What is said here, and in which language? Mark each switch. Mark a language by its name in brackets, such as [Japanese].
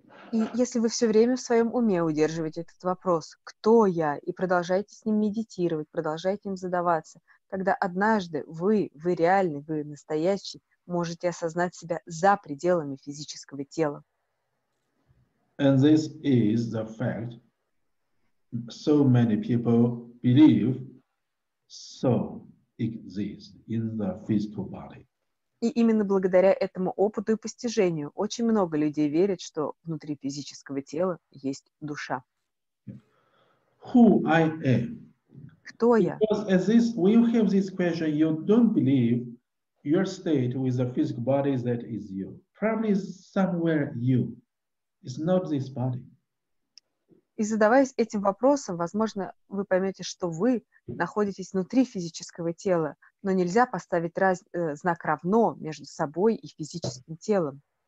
[Russian] И если вы все время в своем уме удерживаете этот вопрос, кто я, и продолжаете с ним медитировать, продолжаете им задаваться, тогда однажды вы реальный, вы настоящий, можете осознать себя за пределами физического тела. [English] And this is the fact so many people believe so exists in the physical body. [Russian] И именно благодаря этому опыту и постижению очень много людей верят, что внутри физического тела есть душа. [English] who I am. [Russian] Кто я? [English] Because as this, when you have this question, you don't believe your state with the physical body that is you. Probably somewhere you. It's not this body. [Russian] И задаваясь этим вопросом, возможно, вы поймете, что вы находитесь внутри физического тела, но нельзя поставить знак равно между собой и физическим телом.